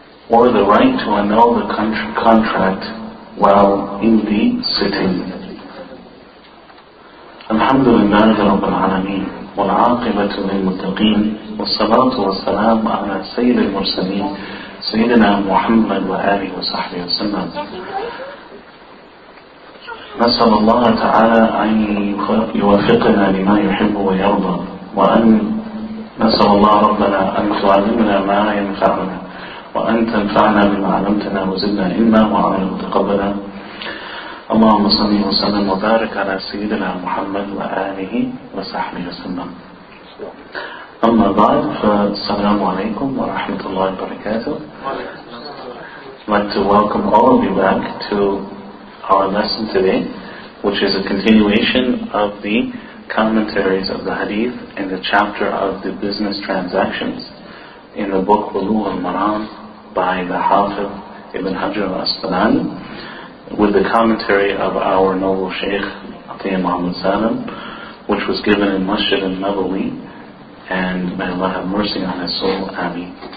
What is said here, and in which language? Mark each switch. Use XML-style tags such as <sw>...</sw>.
<en>Or the right to annul the contract while in the sitting.</en> <ar>الحمد لله رب العالمين والعاقبة للمتقين والصلاة والسلام على سيد المرسلين سيدنا محمد وآله وصحبه وسلم. نسأل الله تعالى أن يوفقنا لما يحب ويرضى وأن نسأل الله ربنا أن تعلمنا ما ينفعنا وأن تنفعنا بما علمتنا وزدنا علما وعملا متقبلا. اللهم صل وسلم وبارك على سيدنا محمد وآله وصحبه وسلم. أما بعد فالسلام عليكم ورحمة الله وبركاته.</ar> <en>I'd like to welcome all of you back to our lesson today, which is a continuation of the commentaries of the hadith in the chapter of the business transactions in the book Buluugh al-Maram by the Hafiz Ibn Hajar al-Asqalani, with the commentary of our noble Shaykh Atiyah Muhammad Salim, which was given in Masjid al-Nabawi, and may Allah have mercy on his soul. Ameen.</en>